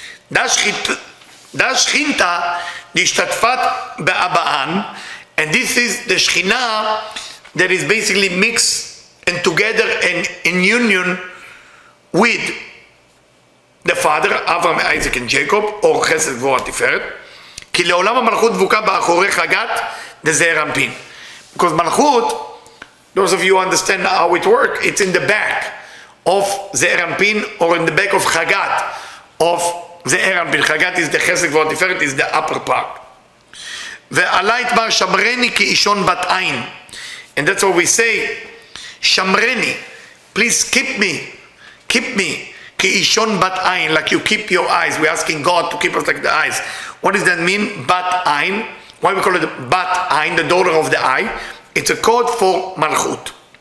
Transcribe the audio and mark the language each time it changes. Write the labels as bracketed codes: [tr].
[he] Da shchinta nishtatfat ba'aban, [en] and this is the shchina that is basically mixed and together and in union with the father, Avraham, Isaac, and Jacob, or Chesed Gvura Tiferet, [he] כי לעולם המלכות דבוקה באחורי חגת, [en] the Zeher Ampin. Because מלכות, those of you understand how it works, it's in the back of Zeher Ampin, or in the back of חגת, of Zeher Ampin. חגת is the Chesed Gvura Tiferet, is the upper part. [he] ועלה יתמר שמרני כאישון בת עין. [en] And that's what we say, שמרני, please keep me, keep me, [he] ki ishon bat ayin, [en] like you keep your eyes. We're asking God to keep us like the eyes. What does that mean? Bat ayin. Why we call it bat ayin, the daughter of the eye? It's a code for malchut.